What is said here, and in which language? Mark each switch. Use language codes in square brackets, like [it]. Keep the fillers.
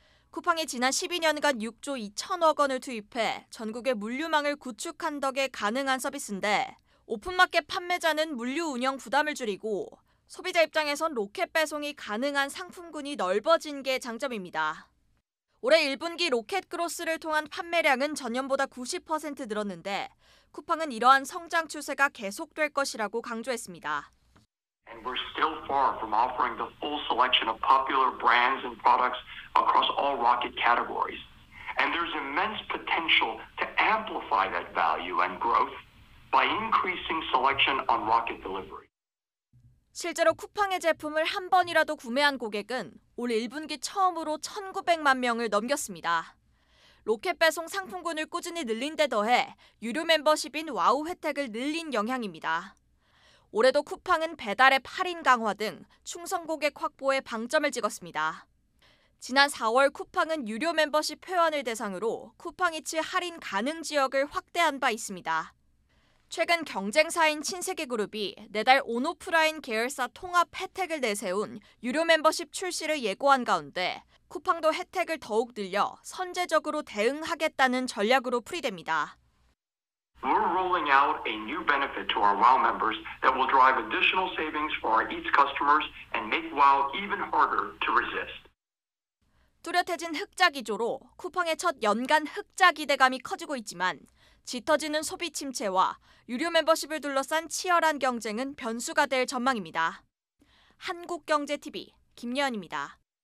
[ko] 쿠팡이 지난 12년간 6조 2천억 원을 투입해 전국의 물류망을 구축한 덕에 가능한 서비스인데 오픈마켓 판매자는 물류 운영 부담을 줄이고 소비자 입장에선 로켓 배송이 가능한 상품군이 넓어진 게 장점입니다. 올해 1분기 로켓 크로스를 통한 판매량은 전년보다 90% 늘었는데 쿠팡은 이러한 성장 추세가 계속될 것이라고 강조했습니다. [en] And we're still far from offering the full selection of popular brands and products across all rocket categories. And there's immense potential to amplify that value and growth by increasing selection on rocket delivery. [ko] 실제로 쿠팡의 제품을 한 번이라도 구매한 고객은 올 1분기 처음으로 1,900만 명을 넘겼습니다. 로켓 배송 상품군을 꾸준히 늘린 데 더해 유료 멤버십인 와우 혜택을 늘린 영향입니다. 올해도 쿠팡은 배달의 8인 강화 등 충성 고객 확보에 방점을 찍었습니다. 지난 4월 쿠팡은 유료 멤버십 회원을 대상으로 쿠팡이츠 할인 가능 지역을 확대한 바 있습니다. 최근 경쟁사인 친세계 그룹이 내달 온오프라인 계열사 통합 혜택을 내세운 유료 멤버십 출시를 예고한 가운데 쿠팡도 혜택을 더욱 늘려 선제적으로 대응하겠다는 전략으로 풀이됩니다. [en] We're rolling out a new benefit to our WOW members that will drive additional savings for our Eats customers and make WOW even harder to resist. [ko] 뚜렷해진 흑자 기조로 쿠팡의 첫 연간 흑자 기대감이 커지고 있지만 짙어지는 소비 침체와 유료 멤버십을 둘러싼 치열한 경쟁은 변수가 될 전망입니다. 한국경제TV 김예원입니다.